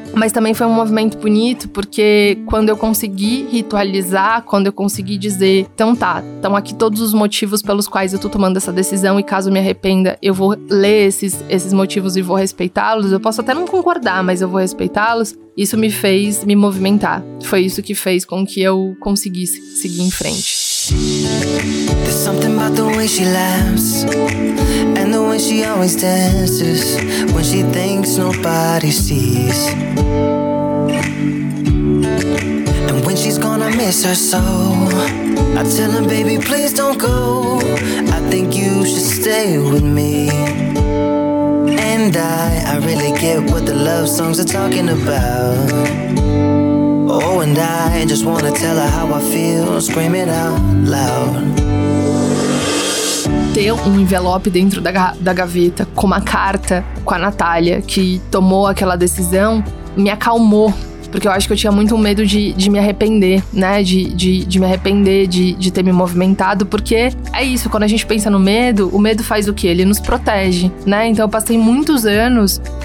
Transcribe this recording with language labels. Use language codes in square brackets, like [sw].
[pt] Mas também foi um movimento bonito, porque quando eu consegui ritualizar, quando eu consegui dizer, então tá, estão aqui todos os motivos pelos quais eu tô tomando essa decisão, e caso me arrependa, eu vou ler esses motivos e vou respeitá-los. Eu posso até não concordar, mas eu vou respeitá-los. Isso me fez me movimentar. Foi isso que fez com que eu conseguisse seguir em frente. [en] There's something about the way she laughs, and the way she always dances, when she thinks nobody sees. And when she's gonna miss her soul, I tell her, baby, please don't go, I think you should stay with me. And I really get what the love songs are talking about. Oh, and I just wanna tell her how I feel, scream it out loud. [pt] Ter um envelope dentro da gaveta com uma carta com a Natália que tomou aquela decisão me acalmou, porque eu acho que eu tinha muito medo de me arrepender, né? De me arrepender de ter me movimentado, porque é isso, quando a gente pensa no medo faz o quê? Ele nos protege, né? Então eu passei muitos anos